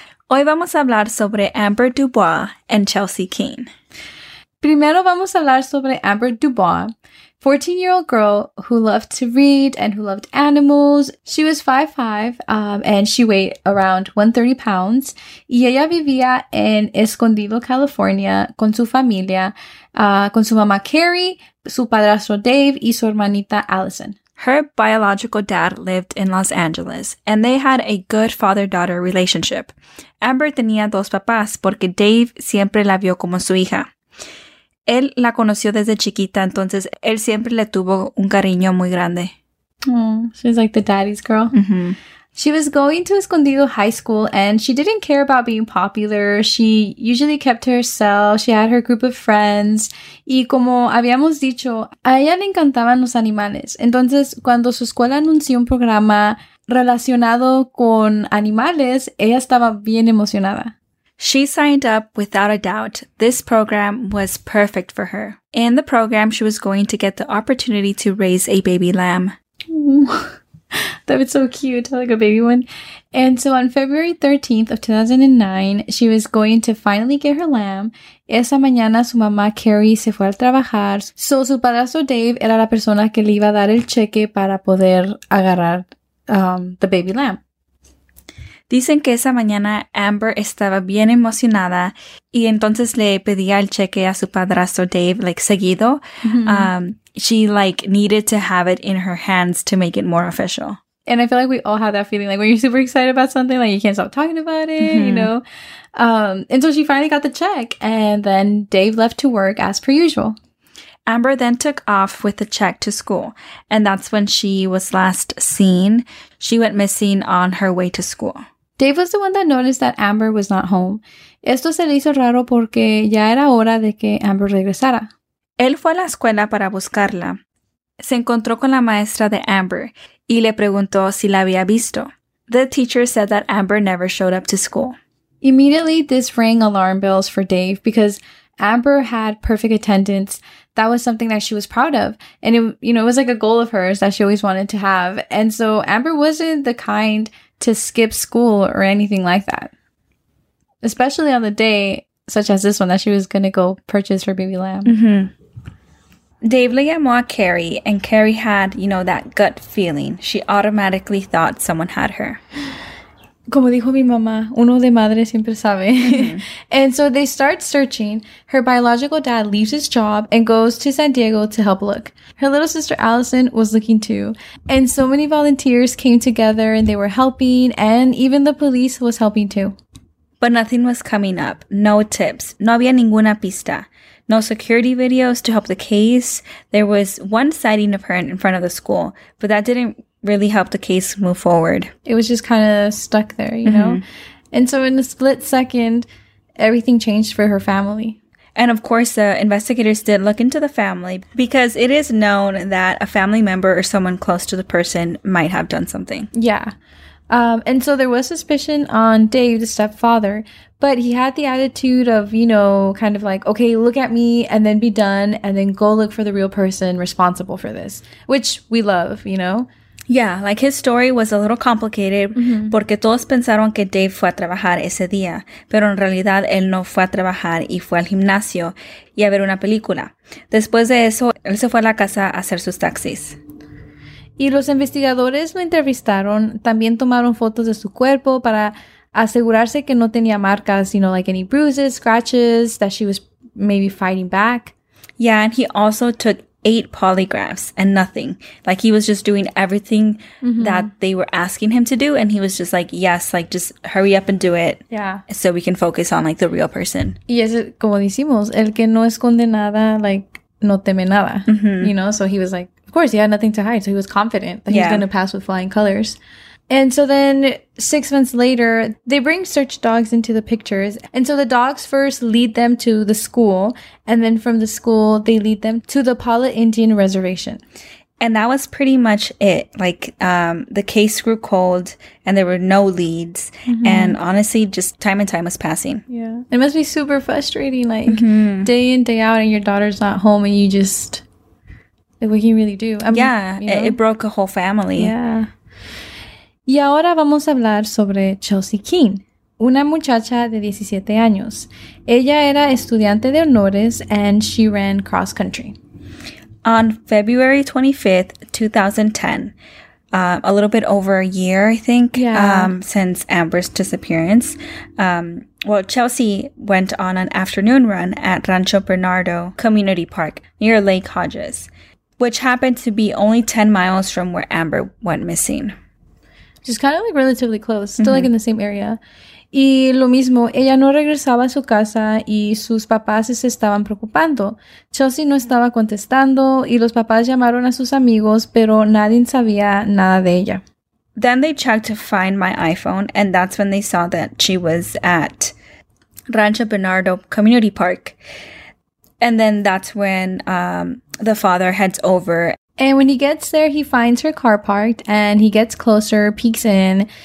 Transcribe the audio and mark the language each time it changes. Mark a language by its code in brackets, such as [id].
[es] Hoy vamos a hablar sobre Amber Dubois and Chelsea Keene. Primero vamos a hablar sobre [en] Amber Dubois, 14-year-old girl who loved to read and who loved animals. She was 5'5", and she weighed around 130 pounds. [es] Y ella vivía en Escondido, California, con su familia, con su mamá Carrie, su padrastro Dave, y su hermanita Allison. [en] Her biological dad lived in Los Angeles, and they had a good father-daughter relationship. [es] Amber tenía dos papás porque Dave siempre la vio como su hija. Él la conoció desde chiquita, entonces él siempre le tuvo un cariño muy grande. [en] Oh, she's like the daddy's girl. Mm-hmm. She was going to Escondido High School, and she didn't care about being popular. She usually kept to herself. She had her group of friends. [es] Y como habíamos dicho, a ella le encantaban los animales. Entonces, cuando su escuela anunció un programa relacionado con animales, ella estaba bien emocionada. [en] She signed up without a doubt. This program was perfect for her. In the program, she was going to get the opportunity to raise a baby lamb. That was so cute, like a baby one. And so on February 13th of 2009, she was going to finally get her lamb. [es] Esa mañana su mamá Carrie se fue a trabajar. So su padrastro Dave era la persona que le iba a dar el cheque para poder agarrar [en] the baby lamb. [es] Dicen que esa mañana Amber estaba bien emocionada y entonces le pedía el cheque a su padrastro Dave, like, seguido. Mm-hmm. [en] She, like, needed to have it in her hands to make it more official. And I feel like we all have that feeling, like, when you're super excited about something, like, you can't stop talking about it, mm-hmm. you know? And so she finally got the check, and then Dave left to work as per usual. Amber then took off with the check to school, and that's when she was last seen. She went missing on her way to school. Dave was the one that noticed that Amber was not home. [es] Esto se le hizo raro porque ya era hora de que Amber regresara. Él fue a la escuela para buscarla. Se encontró con la maestra de Amber y le preguntó si la había visto. [en] The teacher said that Amber never showed up to school. Immediately, this rang alarm bells for Dave because Amber had perfect attendance. That was something that she was proud of. And it, you know, it was like a goal of hers that she always wanted to have. And so Amber wasn't the kind to skip school or anything like that. Especially on the day such as this one that she was going to go purchase her baby lamb. Mm-hmm. Dave [es] le llamó a Carrie, [en] and Carrie had, you know, that gut feeling. She automatically thought someone had her. [es] Como dijo mi mamá, uno de madre siempre sabe. Mm-hmm. [en] And so they start searching. Her biological dad leaves his job and goes to San Diego to help look. Her little sister Allison was looking too. And so many volunteers came together and they were helping. And even the police was helping too. but nothing was coming up. No tips. [es] No había ninguna pista. [en] No security videos to help the case. There was one sighting of her in front of the school, but that didn't really help the case move forward. It was just kind of stuck there, you know? And so in a split second, everything changed for her family. And of course, the investigators did look into the family because it is known that a family member or someone close to the person might have done something. Yeah. And so there was suspicion on Dave, the stepfather, but he had the attitude of, you know, kind of like, okay, look at me and then be done and then go look for the real person responsible for this, which we love, you know? Yeah, like his story was a little complicated [es] porque todos pensaron que Dave fue a trabajar ese día, pero en realidad él no fue a trabajar y fue al gimnasio y a ver una película. Después de eso, él se fue a la casa a hacer sus taxis. Y los investigadores lo entrevistaron, también tomaron fotos de su cuerpo para asegurarse que no tenía marcas, [en] you know, like any bruises, scratches, that she was maybe fighting back. Yeah, and he also took 8 polygraphs and nothing. Like, he was just doing everything that they were asking him to do. And he was just like, yes, like, just hurry up and do it. Yeah. So we can focus on, like, the real person. [es] Y es como decimos, el que no esconde nada, [en] like, [es] no teme nada. [en] You know, so he was like, of course, he had nothing to hide. So he was confident that he was going to pass with flying colors. And so then 6 months later, they bring search dogs into the pictures. And so the dogs first lead them to the school. And then from the school, they lead them to the Pala Indian Reservation. And that was pretty much it. Like, the case grew cold and there were no leads. And honestly, just time and time was passing. Yeah. It must be super frustrating, like, day in, day out, and your daughter's not home and you just, like, what can you really do? I mean, it broke a whole family. Yeah. [es] Y ahora vamos a hablar sobre Chelsea King, una muchacha de 17 años. Ella era estudiante de honores [en] and she ran cross country. On February 25th, 2010, a little bit over a year, I think, since Amber's disappearance, well, Chelsea went on an afternoon run at Rancho Bernardo Community Park near Lake Hodges, which happened to be only 10 miles from where Amber went missing. Just kind of like relatively close, still like in the same area. [es] Y lo mismo, ella no regresaba a su casa y sus papás se estaban preocupando. Chelsea no estaba contestando y los papás llamaron a sus amigos, pero nadie sabía nada de ella. [en] Then they checked to find my iPhone and that's when they saw that she was at Rancho Bernardo Community Park. And then that's when the father heads over. And when he gets there, he finds her car parked and he gets closer, peeks in.